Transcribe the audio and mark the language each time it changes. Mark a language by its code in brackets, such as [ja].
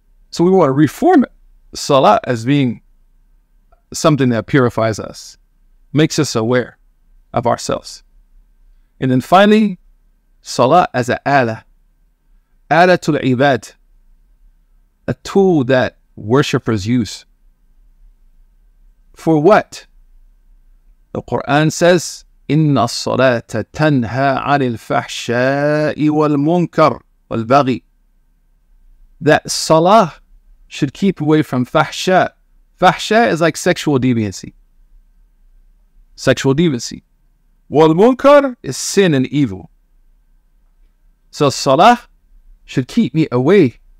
[en] So we want to reform salah as being something that purifies us, makes us aware of ourselves. And then finally, salah as an ala, alatul ibad, a tool that worshippers use. For what? The Quran says, [ar] إِنَّ الصَّلَاةَ تَنْهَى عَنِ الْفَحْشَاءِ وَالْمُنْكَرِ وَالْبَغِي. [en] That salah should keep away from fahsha. Fahsha is like sexual deviancy. Sexual deviancy. وَالْمُنْكَرِ is sin and evil. So salah should keep me away.